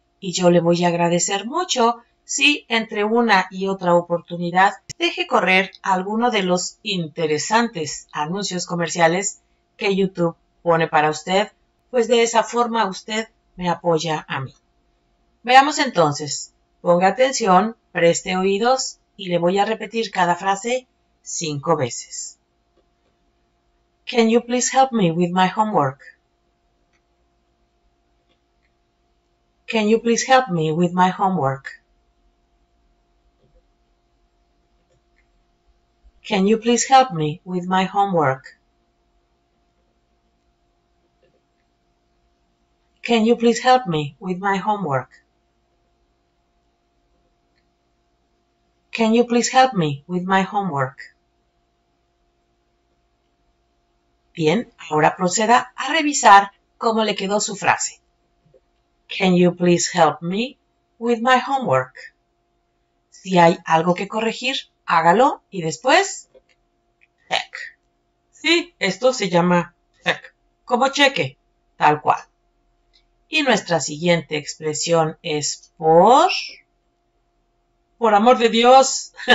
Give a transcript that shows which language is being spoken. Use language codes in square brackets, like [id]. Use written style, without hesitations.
[es] Y yo le voy a agradecer mucho si entre una y otra oportunidad deje correr alguno de los interesantes anuncios comerciales que YouTube pone para usted. Pues de esa forma usted me apoya a mí. Veamos entonces, ponga atención, preste oídos y le voy a repetir cada frase 5 veces. [en] Can you please help me with my homework? Can you please help me with my homework? Can you please help me with my homework? Can you please help me with my homework? Can you please help me with my homework? [es] Bien, ahora proceda a revisar cómo le quedó su frase. [en] Can you please help me with my homework? [es] Si hay algo que corregir, hágalo y después, check. Sí, esto se llama check, como cheque, tal cual. Y nuestra siguiente expresión es por amor de Dios.